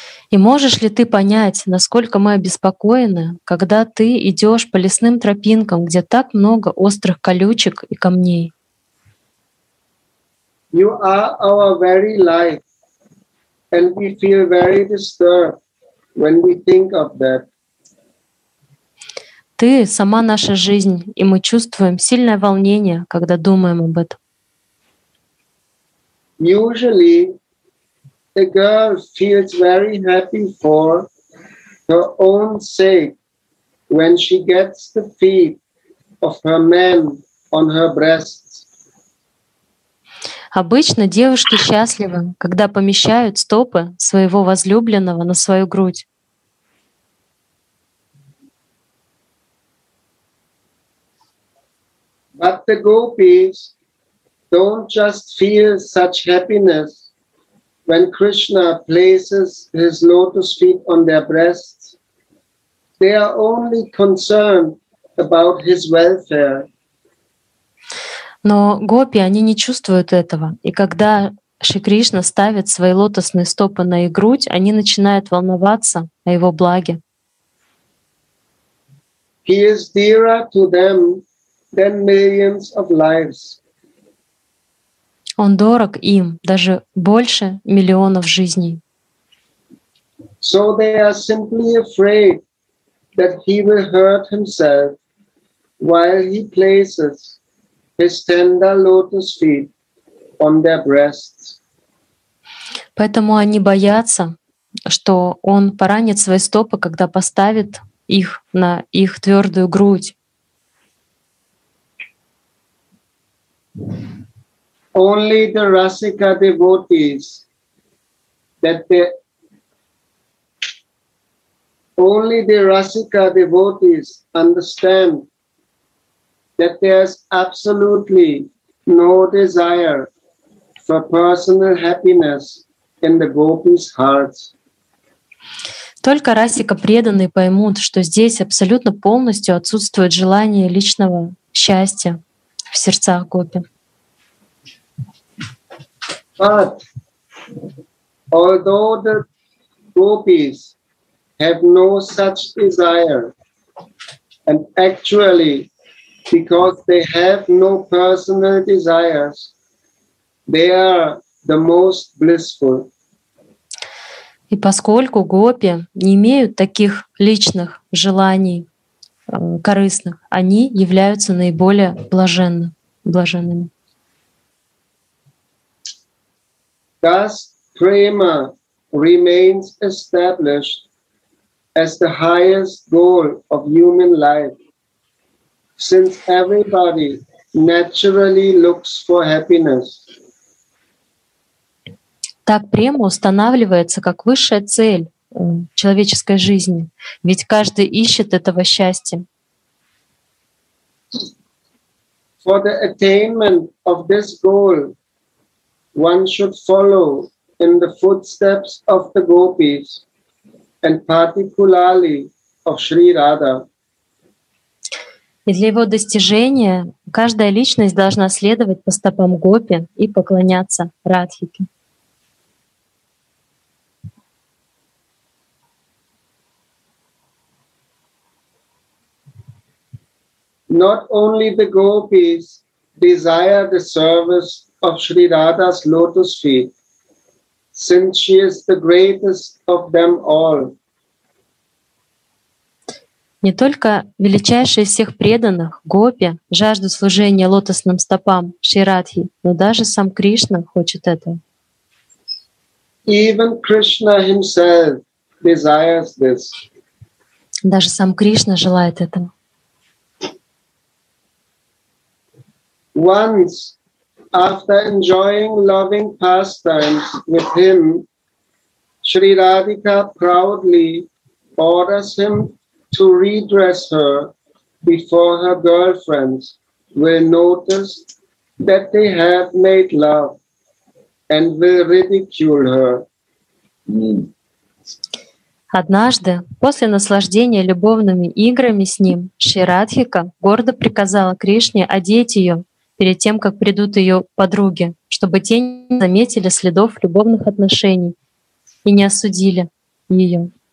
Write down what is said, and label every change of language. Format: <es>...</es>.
<ru>И можешь ли ты понять, насколько мы обеспокоены, когда ты идешь по лесным тропинкам, где так много острых колючек и камней?</ru> <en>You are our very life, and we feel very disturbed when we think of that.</en> <ru>Ты сама наша жизнь, и мы чувствуем сильное волнение, когда думаем об этом.</ru> <en>Usually a girl feels very happy for her own sake when she gets the feet of her man on her breast.</en> <ru>Обычно девушки счастливы, когда помещают стопы своего возлюбленного на свою грудь.</ru> <en>But the gopis don't just feel such happiness when Krishna places his lotus feet on their breasts. They are only concerned about his welfare.</en> <ru>Но гопи, они не чувствуют этого. И когда Шри Кришна ставит свои лотосные стопы на их грудь, они начинают волноваться о его благе.</ru> <en>He is dearer to them than millions of lives.</en> <ru>Он дорог им даже больше миллионов жизней.</ru> <en>So they are simply afraid that he will hurt himself while he places his tender lotus feet on their breasts.</en> <ru>Поэтому они боятся, что он поранит свои стопы, когда поставит их на их твердую грудь.</ru> <en>Only the Rasika devotees that they only the Rasika devotees understand that there is absolutely no desire for personal happiness in the gopis' hearts.</en> <ru>Только Расика преданные поймут, что здесь абсолютно полностью отсутствует желание личного счастья в сердцах гопи.</ru> <en>But although the gopis have no such desire, and actually, because they have no personal desires, they are the most blissful.</en> <ru>И поскольку гопи не имеют таких личных желаний корыстных, они являются наиболее блаженными.</ru> <en>Thus, prema remains established as the highest goal of human life, since everybody naturally looks for happiness.</en> <ru>Так према устанавливается как высшая цель человеческой жизни, ведь каждый ищет этого счастья.</ru> <en>For the attainment of this goal, one should follow in the footsteps of the gopis and particularly of Sri Radha.</en> <ru>И для его достижения каждая личность должна следовать по стопам гопи и поклоняться Радхике.</ru> <en>Not only the gopis desire the service of Sri Radha's lotus feet, since she is the greatest of them all.</en> <ru>Не только величайшие из всех преданных гопи жаждут служения лотосным стопам Шри Радхи, но даже сам Кришна хочет этого.</ru> <en>Even Krishna himself desires this.</en> <ru>Даже сам Кришна желает этого.</ru> <en>Once, after enjoying loving pastimes with him, Sri Radhika proudly orders him to redress her before her girlfriends will notice that they have made love and will ridicule her.</en> <ru>Однажды, после наслаждения любовными играми с ним, Шри Радхика гордо приказала Кришне одеть ее перед тем, как придут ее подруги, чтобы те не заметили следов любовных отношений и не осудили ее.</ru>